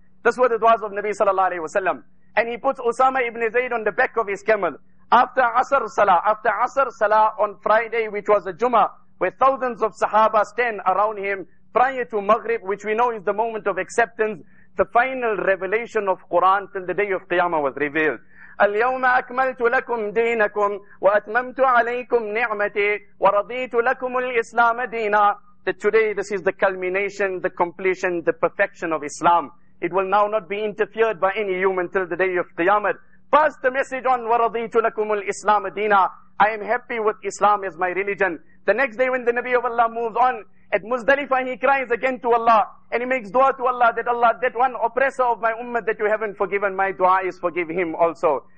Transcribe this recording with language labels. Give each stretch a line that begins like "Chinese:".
English: This was the du'as of Nabi sallallahu alayhi wa sallam. And he puts Usama ibn Zayd on the back of his camel. After Asr Salah on Friday, which was a Jummah, where thousands of Sahaba stand around him, prior to Maghrib, which we know is the moment of acceptance, the final revelation of Quran till the day of Qiyamah was revealed.
Arabic: اليوم أكملت لكم دينكم وأتممت عليكم نعمتي ورضيت لكم الإسلام دينا.
English: That today this is the culmination, the completion, the perfection of Islam. It will now not be interfered by any human till the day of Qiyamah. Pass the message on, ورضيت لكم الإسلام دينا. I am happy with Islam as my religion. The next day when the Nabi of Allah moves on, at Muzdalifah he cries again to Allah, and he makes dua to Allah that Allah, that one oppressor of my ummah that you haven't forgiven, my dua is forgive him also.